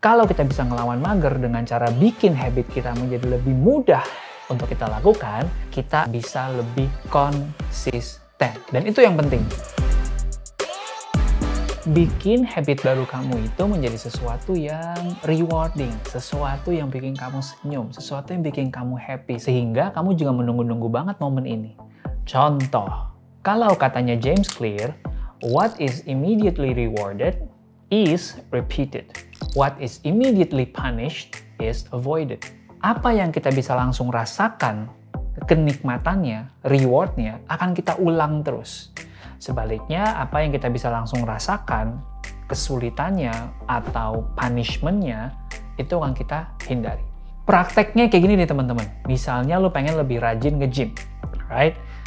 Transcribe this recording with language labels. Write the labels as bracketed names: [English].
[Indonesian] Kalau kita bisa ngelawan mager dengan cara bikin habit kita menjadi lebih mudah untuk kita lakukan, kita bisa lebih konsisten. Dan itu yang penting. Bikin habit baru kamu itu menjadi sesuatu yang rewarding, sesuatu yang bikin kamu senyum, sesuatu yang bikin kamu happy, sehingga kamu juga menunggu-nunggu banget momen ini. Contoh, kalau katanya James Clear, [English] what is immediately rewarded is repeated. What is immediately punished is avoided. [Indonesian] Apa yang kita bisa langsung rasakan, kenikmatannya, rewardnya, akan kita ulang terus. Sebaliknya, apa yang kita bisa langsung rasakan, kesulitannya atau punishmentnya itu akan kita hindari. Prakteknya kayak gini nih teman-teman. Misalnya lu pengen lebih rajin nge-gym, right?